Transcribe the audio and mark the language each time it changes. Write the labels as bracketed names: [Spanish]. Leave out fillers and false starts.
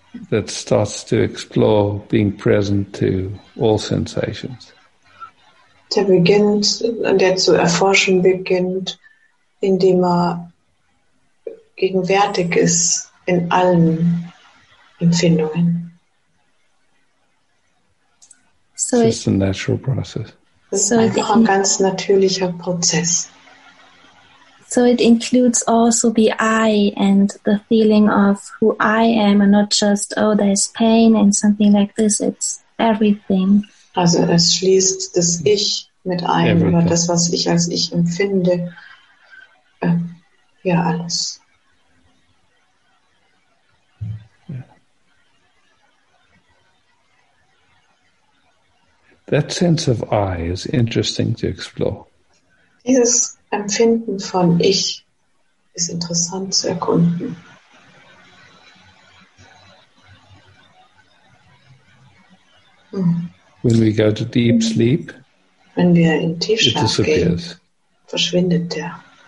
[English] that starts to explore being present to all sensations. [German] Der beginnt, der zu erforschen beginnt, indem er gegenwärtig ist in allen Empfindungen. [English] It's a natural process. [German] Das ist einfach ein ganz natürlicher Prozess. [English] So it includes also the I and the feeling of who I am and not just, oh, there's pain and something like this. It's everything. [German] Also es schließt das Ich mit ein, [English] everything. [German] Oder das, was ich als Ich empfinde, ja, alles. [English] That sense of I is interesting to explore. [German] Dieses Empfinden von Ich ist interessant zu erkunden. [English] When we go to deep sleep, [German] wenn wir in Tiefschlaf gehen, verschwindet der.